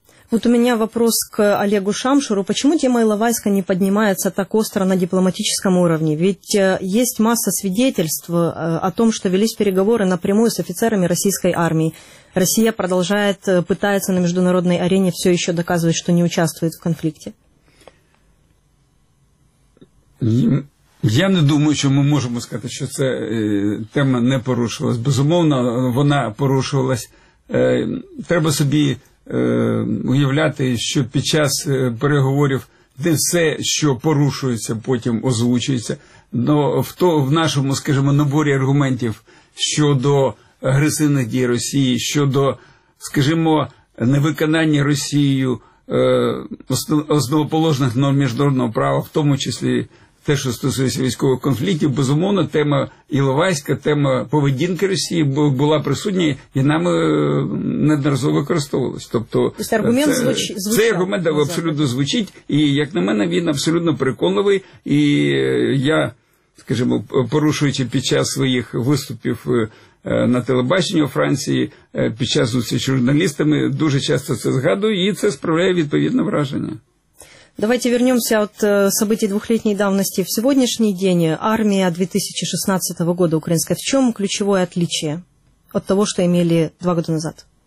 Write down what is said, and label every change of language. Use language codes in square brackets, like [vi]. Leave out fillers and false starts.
[ru] Вот у меня вопрос к Олегу Шамшуру. Почему тема Иловайска не поднимается так остро на дипломатическом уровне? Ведь есть масса свидетельств о том, что велись переговоры напрямую с офицерами российской армии. Россия продолжает пытаться на международной арене все еще доказывать, что не участвует в конфликте. [uk] Я не думаю, що ми можемо сказати, що ця тема не порушувалась. Безумовно, вона порушувалась. Треба собі уявляти, що під час переговорів не все, що порушується, потім озвучується. Но в нашому, скажімо, наборі аргументів щодо агресивних дій Росії, щодо, скажімо, невиконання Росією основоположних норм міжнародного права, в тому числі те, що стосується військових конфліктів, безумовно, тема Іловайська, тема поведінки Росії була присутня і нами неодноразово використовувалась. Тобто, цей аргумент абсолютно звучить, і, як на мене, він абсолютно переконливий. І я, скажімо, порушуючи під час своїх виступів на телебаченні у Франції, під час зустрічі з журналістами, дуже часто це згадую, і це справляє відповідне враження. [ru] Давайте вернемся от событий двухлетней давности в сегодняшний день. Армия 2016 года украинская. В чем ключевое отличие от того, что имели два года назад?